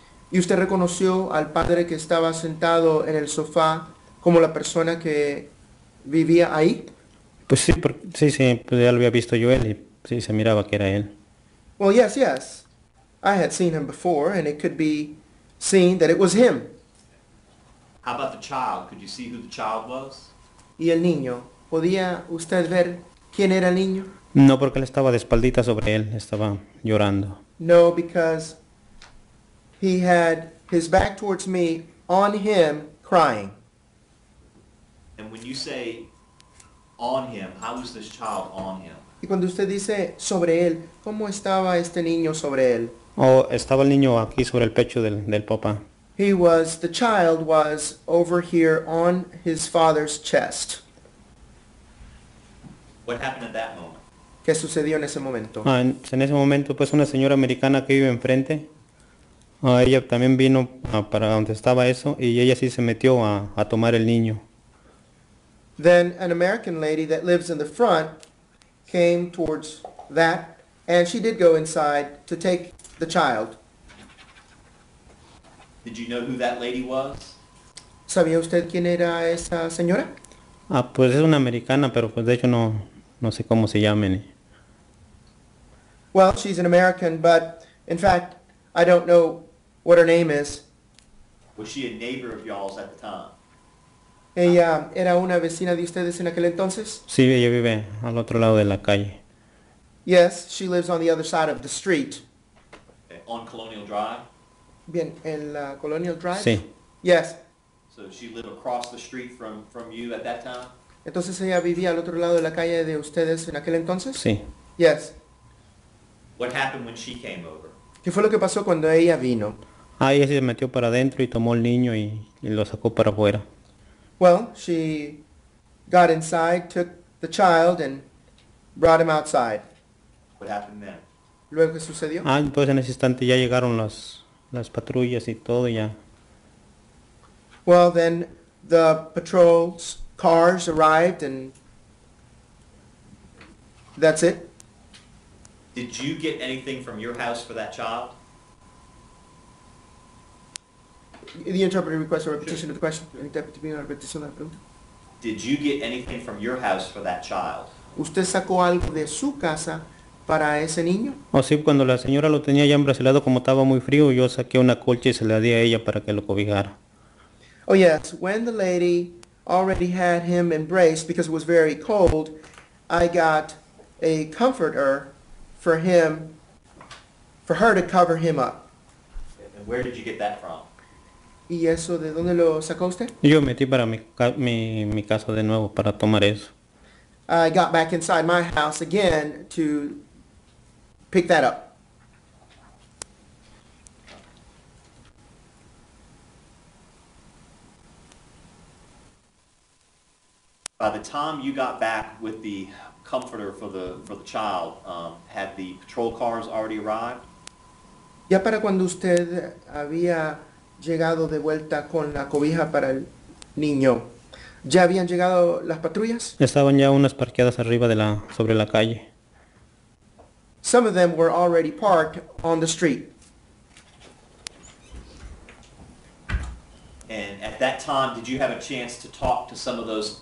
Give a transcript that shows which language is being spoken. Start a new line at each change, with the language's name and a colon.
Spanish: ¿Y usted reconoció al padre que estaba sentado en el sofá como la persona que vivía ahí? Pues sí, pues ya lo había visto yo él y sí, se miraba que era él.
English: Well, yes, yes. I had seen him before and it could be seen that it was him. How about the child? Could you see who the child was?
Spanish: ¿Y el niño? ¿Podía usted ver quién era el niño? No, porque él estaba de espaldita sobre él, estaba llorando.
English: No, because he had his back towards me, on him, crying. And when you say on him, how was this child on him?
Spanish: Y cuando usted dice sobre él, ¿cómo estaba este niño sobre él? Oh, estaba el niño aquí sobre el pecho del papá.
English: The child was over here on his father's chest. What happened at that moment?
Spanish: ¿Qué sucedió en ese momento? En ese momento, pues una señora americana que vive enfrente. Ella también vino para donde estaba eso y ella sí se metió a tomar el niño.
English: Then an American lady that lives in the front came towards that and she did go inside to take the child. Did you know who that lady was?
Spanish: ¿Sabía usted quién era esa señora? Pues es una americana, pero pues de hecho no sé cómo se llame.
English: Well, she's an American, but in fact, I don't know what her name is. Was she a neighbor of y'all's at the time?
Spanish: ¿Ella era una vecina de ustedes en aquel entonces? Sí, ella vive al otro lado de la calle.
English: Yes, she lives on the other side of the street. Okay, on Colonial Drive?
Spanish: Bien, en la Colonial Drive? Sí.
English: Yes. So she lived across the street from you at that time?
Spanish: ¿Entonces ella vivía al otro lado de la calle de ustedes en aquel entonces? Sí.
English: Yes. What happened when she came over?
Spanish: ¿Qué fue lo que pasó cuando ella vino? Ella se metió para adentro y tomó el niño y lo sacó para afuera.
English: Well, she got inside, took the child, and brought him outside. What happened then?
Spanish: ¿Luego qué sucedió? Pues en ese instante ya llegaron las patrullas y todo ya.
English: Well, then the patrol's cars arrived, and that's it. Did you get anything from your house for that child? The interpreter requests a repetition of the question. Sure. Interpreter,
Spanish: ¿puede repetir la pregunta?
English: Did you get anything from your house for that child?
Spanish: ¿Usted sacó algo de su casa para ese niño? Sí, cuando la señora lo tenía ya embracelado, como estaba muy frío, yo saqué una colcha y se la di a ella para que lo cobijara.
English: Oh, yes. When the lady already had him embraced because it was very cold, I got a comforter for him, for her to cover him up. And where did you get that from?
Spanish: ¿Y eso de dónde lo sacó usted? Yo metí para mi casa de nuevo para tomar eso.
English: I got back inside my house again to pick that up. By the time you got back with the comforter for the child, had the patrol cars already arrived?
Spanish: Ya para cuando usted había llegado de vuelta con la cobija para el niño, ¿ya habían llegado las patrullas? Estaban ya unas parqueadas arriba de la, sobre la calle.
English: Some of them were already parked on the street. And at that time, did you have a chance to talk to some of those